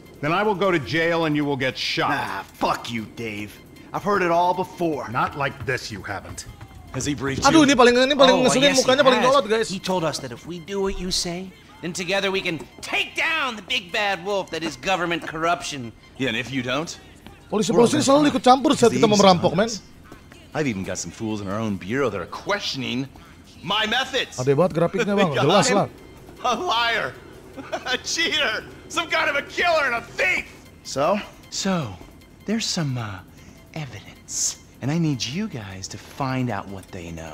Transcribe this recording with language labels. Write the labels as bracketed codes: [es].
[en] Then I will go to jail and you will get shot. Ah, fuck you, Dave. I've heard it all before. Not like this, you haven't. Has he briefed you? [id] Aduh, ini paling ngeselin, yes, mukanya paling jolot, guys. [en] He told us that if we do what you say, then together we can take down the big bad wolf that is government corruption. Yeah, and if you don't? [id] Polisi-polisi ini selalu ikut campur saat kita mau merampok, men. [en] I've even got some fools in our own bureau that are questioning my methods. [id] Ade banget grafiknya, Bang. Jelas lah. [en] A liar. A cheater. Some kind of a killer and a thief. So? So, there's some evidence. And I need you guys to find out what they know.